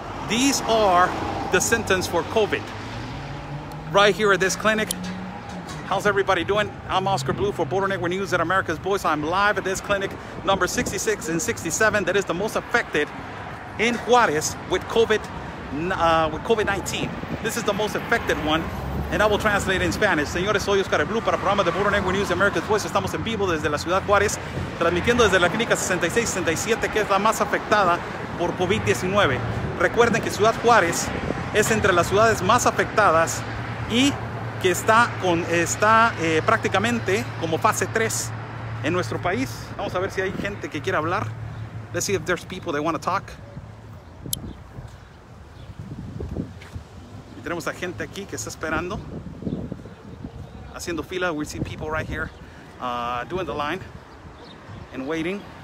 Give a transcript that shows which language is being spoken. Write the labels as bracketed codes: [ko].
[en] These are the symptoms for COVID right here at this clinic. How's everybody doing? I'm Oscar Blue for Border Network News at America's Voice. I'm live at this clinic number 66 and 67 that is the most affected in Juárez with COVID, with COVID-19. This is the most affected one, and I will translate in Spanish. [es] Señores, soy Oscar Blue para el programa de Border Network News de America's Voice. Estamos en vivo desde la ciudad Juárez, transmitiendo desde la clínica 66-67, que es la más afectada por COVID-19. Recuerden que Ciudad Juárez es entre las ciudades más afectadas y que está prácticamente como fase 3 en nuestro país. Vamos a ver si hay gente que quiera hablar. [en] Let's see if there's people that want to talk. [es] Y tenemos a gente aquí que está esperando, haciendo fila. [en] We see people right here doing the line and waiting.